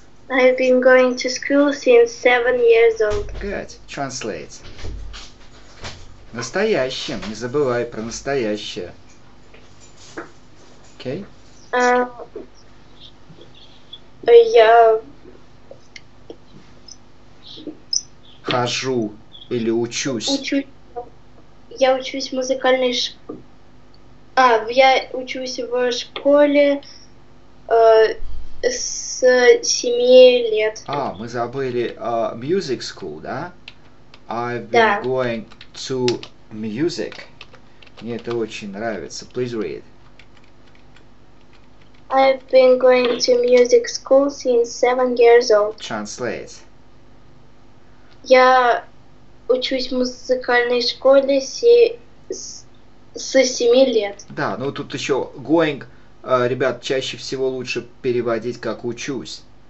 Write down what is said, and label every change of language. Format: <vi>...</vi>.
<en>I've been going to school since 7 years old. Good. Translate.</en> <ru>Настоящим. Не забывай про настоящее. Окей? Я... Хожу или учусь? Я учусь в музыкальной школе. А, я учусь в школе... с 7 лет. А, мы забыли music school, да?</ru> <en>I've been</en> <ru>да.</ru> <en>going to music.</en> <ru>Мне это очень нравится.</ru> <en>Please read. I've been going to music school since 7 years old. Translate.</en> <ru>Я учусь в музыкальной школе с 7 лет. Да, ну тут еще going... ребят, чаще всего лучше переводить как учусь.</ru>